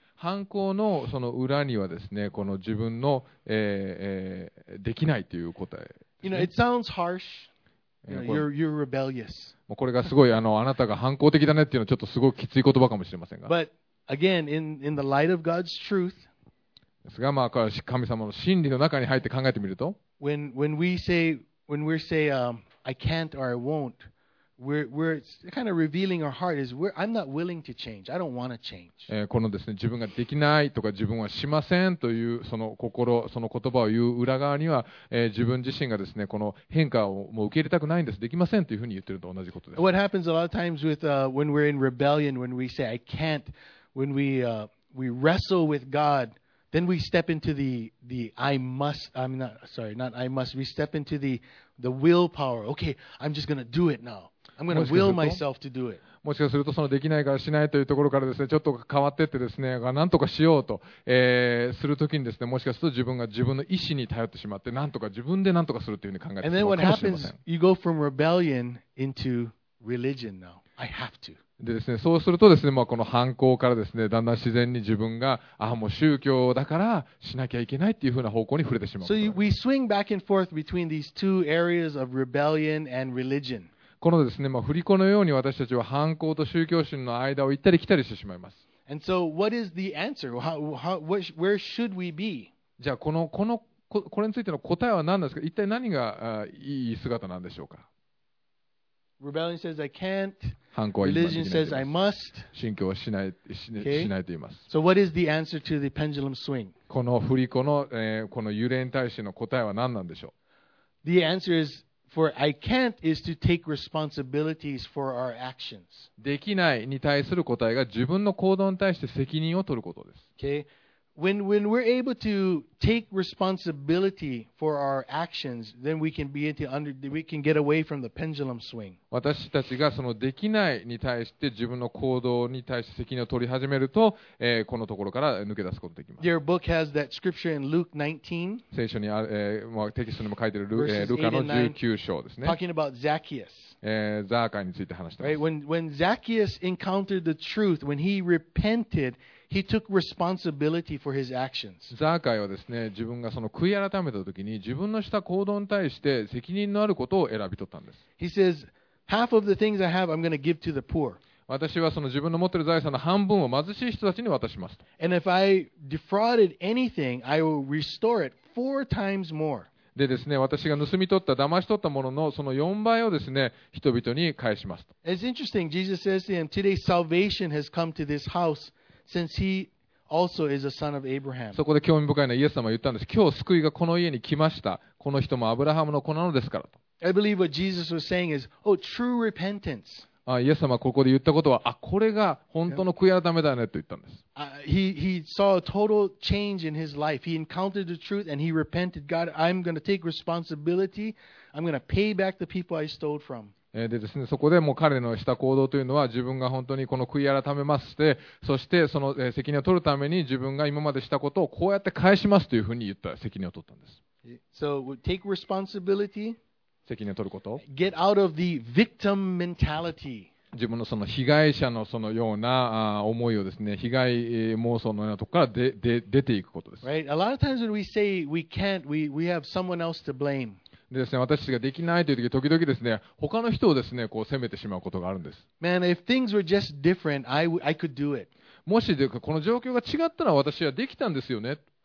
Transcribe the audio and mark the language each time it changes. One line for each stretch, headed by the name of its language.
Japanese: 反抗のその裏にはですね、この自分の、できないという答えですね。
English: You know, it sounds harsh. You're rebellious.
Japanese: もうこれがすごい、あなたが反抗的だねっていうのはちょっとすごいきつい言葉かもしれませんが。
English: But again, in the light of God's truth,
Japanese: ですが、まあ、神様の真理の中に入って考えてみると、
English: when we say, I can't or I won't,We're kind of revealing our heart is we're, I'm not willing to change. I don't want to change.
Japanese: このですね、自分ができないとか自分はしませんというその心、その言葉を言う裏側には、自分自身がですね、この変化をもう受け入れたくないんです。できませんというふうに言ってると同じことです。
English: What happens a lot of times with when we're in rebellion, when we say I can't, when we wrestle with God, then we step into the I must. We step into the willpower. Okay, I'm just gonna do it now. I'm going to will myself to do it.
Japanese: もしかするとそのできないからしないというところからですね、ちょっと変わってってですね、なんとかしようと、するときにですね、もしかすると自分が自分の意思に頼ってしまって、なんとか自分でなんとかするというふうに考えてしまうかもしれません。
English: And then what happens? You go from rebellion into religion now. I have to.
Japanese: でですね、そうするとですね、まあ、この反抗からですね、だんだん自然に自分が、ああ、もう宗教だからしなきゃいけないっていうふうな方向に触れてしまう。
English: So we swing back and forth between these two areas of rebellion and religion.
Japanese: このですね、まあ、振り子のように私たちは反抗と宗教心の間を行ったり来たりしてしまいます。
English: And so what is the answer? Where should we be?
Japanese: じゃあこれについての答えは何ですか？一体何がいい姿なんでしょうか？
English: Rebellion says I can't.
Japanese: 反抗は今できないです。
English: Religion says I must.
Japanese: 信教はしないと言います。
English: So what is the answer to the pendulum swing?
Japanese: この振り子の、この揺れに対しての答えは何なんでしょう？
English: The answer isFor I can't is to take responsibilities for our actions.
Japanese: できないに対する答えが自分の行動に対して責任を取ることです。
English: Okay. When we're able to take responsibility for our actions, then we can get away from the pendulum swing.
Japanese: 私たちがそのできないに対して自分の行動に対して責任を取り始めると、このところから抜け出すことができます。
English: Your book has that scripture in Luke 19.
Japanese: 聖書にある、まあ、テキストにも書いてるルカの19章ですね。
English: Talking about Zacchaeus.
Japanese: ザーカイについて話してます。
English: Right? When Zacchaeus encountered the truth, when he repented,He took responsibility for his actions.
Japanese: ザーカイはですね、自分がその悔い改めたときに、自分のした行動に対して責任のあることを選び取ったんです。
English: He says, Half of the things I have, I'm going to give to the poor.
Japanese: 私はその自分の持っている財産の半分を貧しい人たちに渡しますと。
English: And if I defrauded anything, I will restore it four times more.
Japanese: でですね、私が盗み取った、騙し取ったもののその4倍をですね、人々に返しますと。
English: It's interesting. Jesus says to him, "Today salvation has come to this house, since he also is a son of Abraham."
Japanese: そこで興味深いのはイエス様は言ったんです。今日救いがこの家に来ました。この人もアブラハムの子なのですからと。
English: I believe what Jesus was saying is, "Oh, true repentance."
Japanese: イエス様ここで言ったことは、あ、これが本当の悔い改めだねと言ったんです。
English: He saw a total change in his life. He encountered the truth and he repented. God, I'm going to take responsibility. I'm going to pay back the people I stole from.
Japanese: でですね、そこでもう彼のした行動というのは、自分が本当にこの悔い改めまして、そしてその責任を取るために自分が今までしたことをこうやって返しますというふうに言った責任を取ったんです。
English: So, take responsibility.
Japanese: 責任を取ること。
English: Get out of the victim mentality.
Japanese: 自分のその被害者のそのような思いをですね、被害妄想のようなところから出ていくことです。
English: Right. A lot of times when we say we can't, we have someone else to blame.
Japanese: でですね、私たちができないという時、時々ですね、他の人をですね、こう責めてしまうことがあるんです。
English: Man, if things were just different, I could do it.
Japanese: もしでこの状況が違ったら私はできたんですよね。